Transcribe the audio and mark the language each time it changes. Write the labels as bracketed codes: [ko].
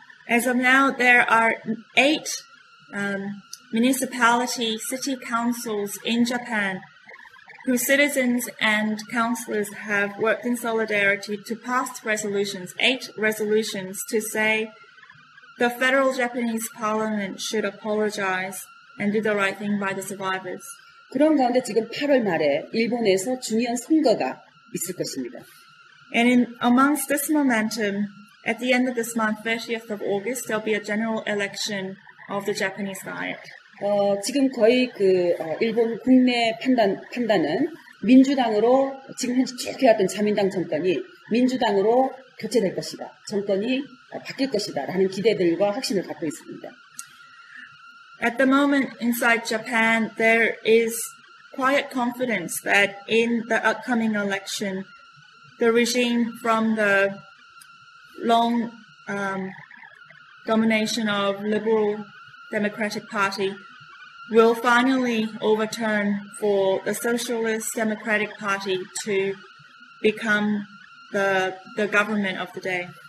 [en] As of now, there are 8 municipality city councils in Japan whose citizens and councillors have worked in solidarity to pass resolutions, 8 resolutions, to say the federal Japanese parliament should apologize and do the right thing by the survivors. [ko] 그런 가운데 지금 8월 말에 일본에서 중요한 선거가 있을 것입니다. [en] And in amongst this momentum, at the end of this month, 30th of August, there'll be a general election of the Japanese Diet. [ko] 지금 거의 그 일본 국내 판단은 민주당으로 지금 현재 쭉 해왔던 자민당 정권이 민주당으로 교체될 것이다. 정권이 바뀔 것이다. 라는 기대들과 확신을 갖고 있습니다. [en] At the moment inside Japan, there is quiet confidence that in the upcoming election, the regime from the long domination of liberal Democratic Party will finally overturn for the Socialist Democratic Party to become the government of the day.